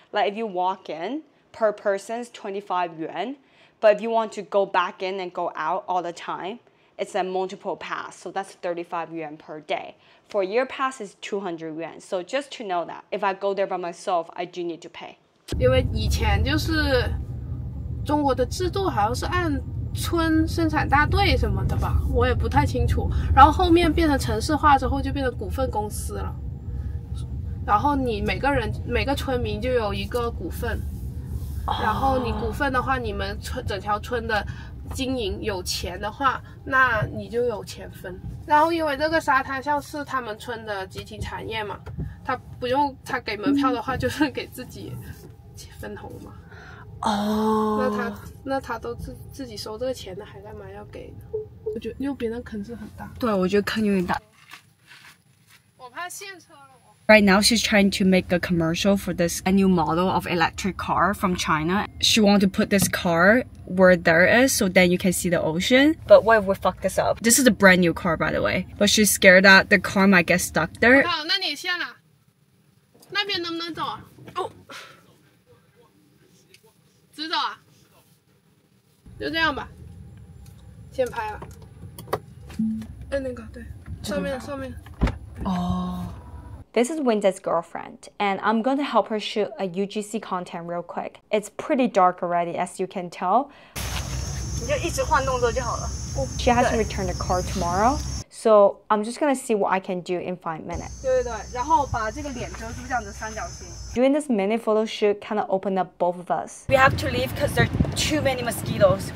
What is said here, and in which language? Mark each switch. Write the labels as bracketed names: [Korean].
[English] Like, if you walk in, per person is 25 yuan. But if you want to go back in and go out all the time, it's a multiple pass. So that's 35 yuan per day. For a year pass is 200 yuan. So just to know that, if I go there by myself, I do need to pay. Because before, Chinese system is on... [Chinese] 村生产大队什么的吧，我也不太清楚。然后后面变成城市化之后，就变成股份公司了。然后你每个人每个村民就有一个股份，然后你股份的话，你们村整条村的经营有钱的话，那你就有钱分。然后因为这个沙滩像是他们村的集体产业嘛，他不用他给门票的话，就是给自己分红嘛。哦，那他都自己收这个钱的，还干嘛要给？我觉得右边的坑是很大。对，我觉得坑有点大。我怕陷车。 [English] Right now, she's trying to make a commercial for this new model of electric car from China. She wants to put this car where there is, so then you can see the ocean. But what if we fuck this up? This is a brand new car, by the way. But she's scared that the car might get stuck there. [Chinese] 好，那你下来，那边能不能走？哦，直走啊？就这样吧，先拍了。嗯，哎，那个，对，上面。哦。 [English] This is Winda's girlfriend, and I'm going to help her shoot a UGC content real quick. It's pretty dark already, as you can tell. She has to return the car tomorrow, so I'm just going to see what I can do in 5 minutes. [Chinese] 对对，然后把这个脸遮住，这样子三角形。 [English] Doing this mini photo shoot kind of opened up both of us. We have to leave because there are too many mosquitoes.